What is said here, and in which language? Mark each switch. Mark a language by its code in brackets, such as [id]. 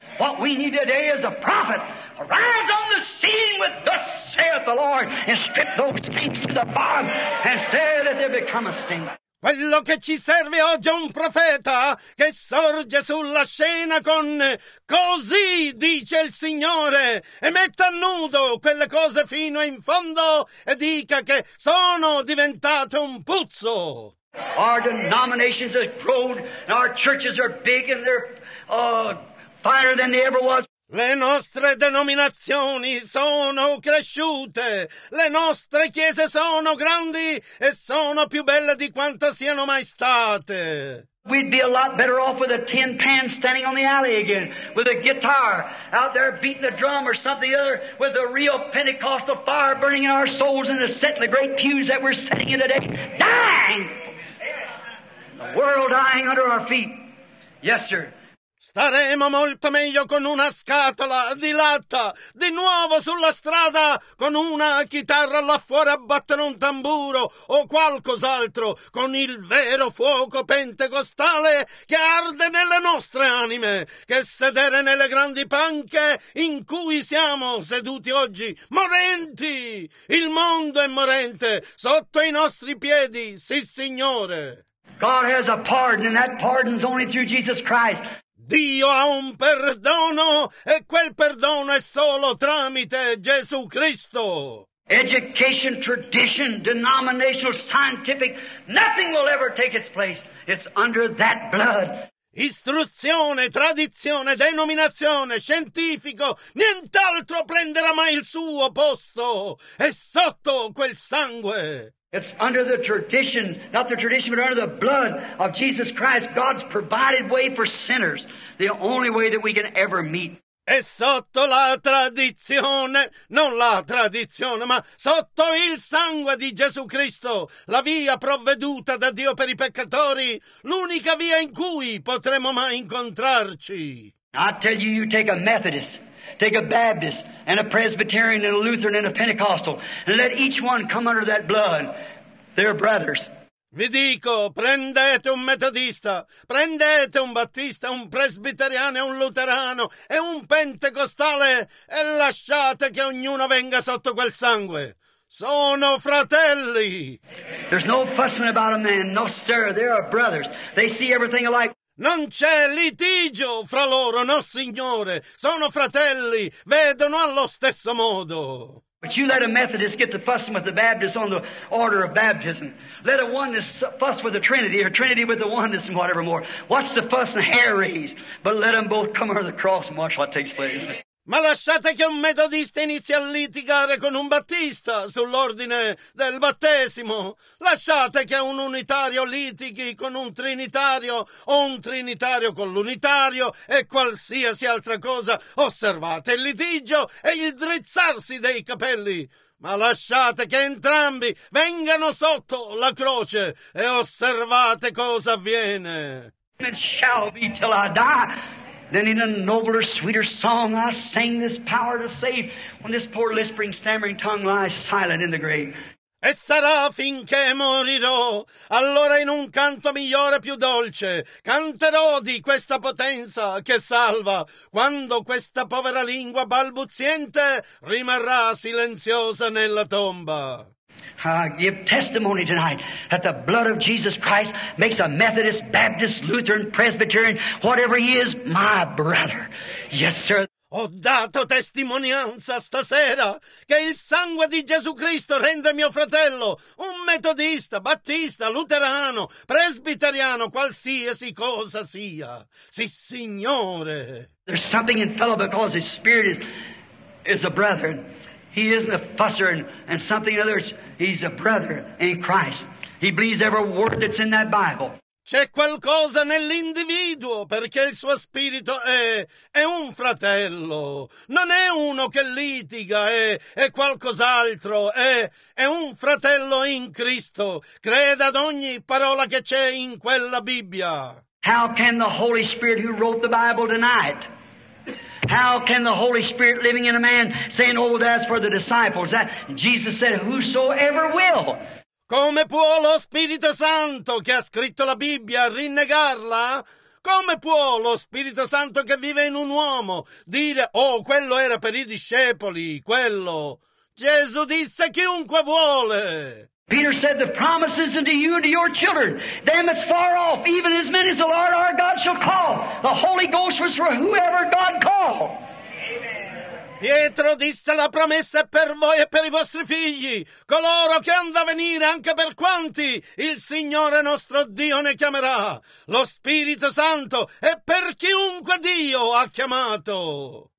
[en] What we need today is a prophet. Arise on the scene with thus saith the Lord and strip those things to the bone and say that they become a stink. [it] Quello che ci serve oggi è un profeta che sorge sulla scena con così dice il Signore e metta a nudo quelle cose fino in fondo e dica che sono diventate un puzzo. [en] Our denominations have grown and our churches are big and they're finer than they ever was. [it] Le nostre denominazioni sono cresciute, le nostre chiese sono grandi e sono più belle di quanto siano mai state. [en] We'd be a lot better off with a tin pan standing on the alley again, with a guitar out there beating the drum or something other, with the real Pentecostal fire burning in our souls and the set in the great pews that we're sitting in today, dying! The world dying under our feet. Yes, sir. [it] Staremo molto meglio con una scatola di latta, di nuovo sulla strada, con una chitarra là fuori a battere un tamburo o qualcos'altro, con il vero fuoco pentecostale che arde nelle nostre anime, che sedere nelle grandi panche in cui siamo seduti oggi, morenti! Il mondo è morente, sotto i nostri piedi, sì signore! [en] God has a pardon, and that pardon's only through Jesus Christ. [it] Dio ha un perdono, e quel perdono è solo tramite Gesù Cristo. [en] Education, tradition, denominational, scientific, nothing will ever take its place. It's under that blood. [it] Istruzione, tradizione, denominazione, scientifico, nient'altro prenderà mai il suo posto. È sotto quel sangue. [en] It's under the tradition, not the tradition, but under the blood of Jesus Christ, God's provided way for sinners, the only way that we can ever meet. [it] È sotto la tradizione, non la tradizione, ma sotto il sangue di Gesù Cristo, la via provveduta da Dio per i peccatori, l'unica via in cui potremo mai incontrarci. [en] I tell you, you take a Methodist, take a Baptist, and a Presbyterian, and a Lutheran, and a Pentecostal, and let each one come under that blood. They're brothers. [it] Vi dico, prendete un metodista, prendete un battista, un presbiteriano, un luterano e un pentecostale e lasciate che ognuno venga sotto quel sangue. Sono fratelli. [en] There's no fussing about a man, no sir, they are brothers. They see everything alike. [it] Non c'è litigio fra loro, no signore, sono fratelli, vedono allo stesso modo. [en] But you let a Methodist get to fussing with the Baptist on the order of baptism. Let a oneness fuss with the Trinity, or Trinity with the oneness and whatever more. Watch the fuss and hair raise. But let them both come under the cross and watch what takes place. [it] Ma lasciate che un metodista inizi a litigare con un battista sull'ordine del battesimo. Lasciate che un unitario litighi con un trinitario o un trinitario con l'unitario e qualsiasi altra cosa. Osservate il litigio e il drizzarsi dei capelli. Ma lasciate che entrambi vengano sotto la croce e osservate cosa avviene. [en] It shall be till I die. Then in a nobler, sweeter song I sang this power to save, when this poor lisping, stammering tongue lies silent in the grave. [it] E sarà finché morirò, allora in un canto migliore più dolce, canterò di questa potenza che salva, quando questa povera lingua balbuziente rimarrà silenziosa nella tomba. [en] I give testimony tonight that the blood of Jesus Christ makes a Methodist, Baptist, Lutheran, Presbyterian, whatever he is, my brother. Yes, sir. [it] Ho dato testimonianza stasera che il sangue di Gesù Cristo rende mio fratello un metodista, battista, luterano, presbiteriano, qualsiasi cosa sia. Sì, signore. [en] There's something in fellow because his spirit is a brethren. He isn't a fusser and something other. He's a brother in Christ. He believes every word that's in that Bible. [it] C'è qualcosa nell'individuo perché il suo spirito è un fratello. Non è uno che litiga, è qualcos'altro. È un fratello in Cristo. Creda ad ogni parola che c'è in quella Bibbia. [en] How can the Holy Spirit who wrote the Bible deny it? How can the Holy Spirit living in a man saying, oh, that's for the disciples? That Jesus said, whosoever will. [it] Come può lo Spirito Santo che ha scritto la Bibbia rinnegarla? Come può lo Spirito Santo che vive in un uomo dire, oh, quello era per i discepoli, quello? Gesù disse, chiunque vuole. [en] Peter said, the promises unto you and to your children, them that's far off, even as many as the Lord our God shall call. The Holy Ghost was for whoever God called. [it] Pietro disse, la promessa è per voi e per i vostri figli, coloro che hanno da venire, anche per quanti il Signore nostro Dio ne chiamerà. Lo Spirito Santo è per chiunque Dio ha chiamato.